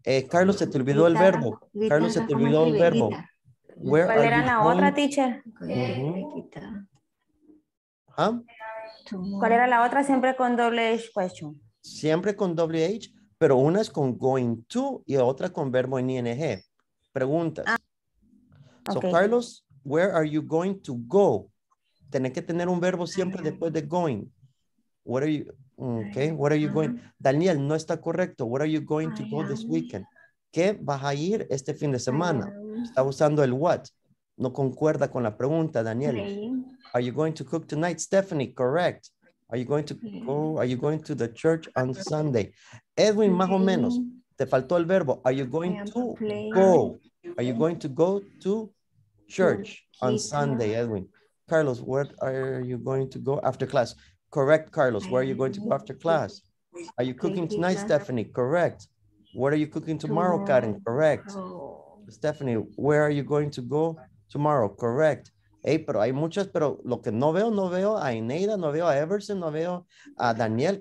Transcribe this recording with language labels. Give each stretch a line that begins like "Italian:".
Spanish: Carlos, se te olvidó guitarra, el verbo. Guitarra, Carlos, se te olvidó el verbo. Where ¿cuál era la home? Otra, teacher? Uh-huh. ¿Ah? ¿Cuál era la otra? Siempre con doble H question. Siempre con doble H, pero una es con going to y otra con verbo en ing. Preguntas. Ah.
English: Okay. So, Carlos, where are you going to go?
Spanish: Tienes que tener un verbo siempre después de going.
English: What are you... Okay, what are you going? Daniel,
Spanish: no está correcto.
English: What are you going to go this weekend?
Spanish: ¿Qué vas a ir este fin de semana? Está usando el what. No concuerda con la pregunta, Daniel.
English: Are you going to cook tonight? Stephanie, correct. Are you going to go? Are you going to the church on Sunday? Edwin,
Spanish: más o menos. Te faltó el verbo.
English: Are you going to go? Are you going to go to church on Sunday, Edwin? Carlos, where are you going to go after class? Correct, Carlos. Where are you going to go after class? Are you cooking tonight, Stephanie? Correct. What are you cooking tomorrow, Karen? Correct. Stephanie, where are you going to go tomorrow? Correct.
Spanish: Hey, pero hay muchas, pero lo que no veo, no veo a Ineida, no veo a Everson, no veo a Daniel.